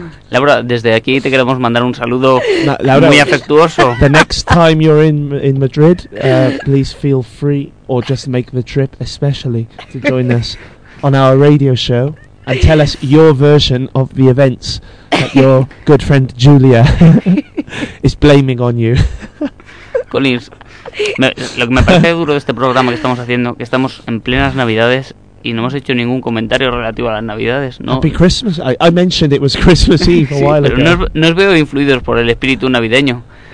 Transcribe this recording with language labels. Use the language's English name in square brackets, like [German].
[Spanish] Laura, desde aquí te queremos mandar un saludo, Laura, muy afectuoso. [English] The next time you're in Madrid, please feel free or just make the trip especially to join us on our radio show. And tell us your version of the events that your good friend Julia is blaming on you. [Spanish] Collins, lo que me parece duro de este programa que estamos haciendo, que estamos en plenas Navidades y no hemos hecho ningún comentario relativo a las Navidades, ¿no? [English] Happy Christmas. I mentioned it was Christmas Eve a [Spanish] sí, [English] while [Spanish] pero [English] ago. [Spanish] No, no os veo influidos por el espíritu navideño.